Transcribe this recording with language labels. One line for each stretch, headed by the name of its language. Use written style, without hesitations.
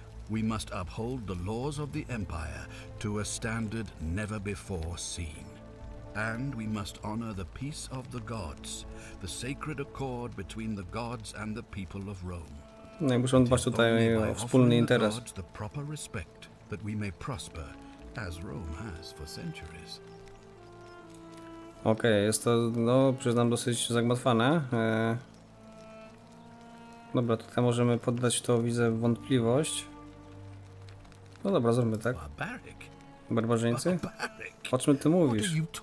English: We must uphold the laws of the Empire to a standard never before seen. And we must honor the peace of the gods, the sacred accord between the gods and the people of Rome.
Polish: No i muszą dbać tutaj o wspólny interes.
English: The proper respect that we may prosper as Rome has for centuries.
Polish: Okej, okay, jest to, no, przyznam, dosyć zagmatwane. Dobra, tutaj możemy poddać to, widzę, wątpliwość. No dobra, zróbmy tak. Barbarzyńcy? O czym ty mówisz?